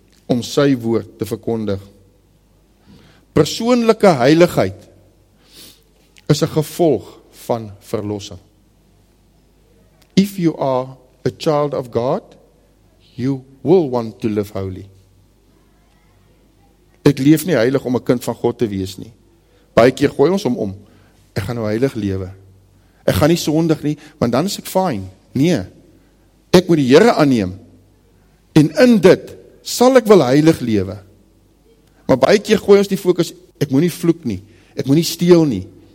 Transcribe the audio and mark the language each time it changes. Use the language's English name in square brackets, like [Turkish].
[Afrikaans] Om sy woord te verkondig. Persoonlike heiligheid is 'n gevolg van verlossing. [English] If you are a child of God, you will want to live holy. [Afrikaans] Ek leef nie heilig om 'n kind van God te wees nie. Baie keer gooi ons om. Ek gaan nou heilig lewe. Ek gaan nie sondig nie, want dan is ek fine. Nee, ek moet die Here aanneem. En in dit sal ek wel heilig lewe. Maar baie keer gooi ons die fokus, ek moet nie vloek nie, ek moet nie steel nie.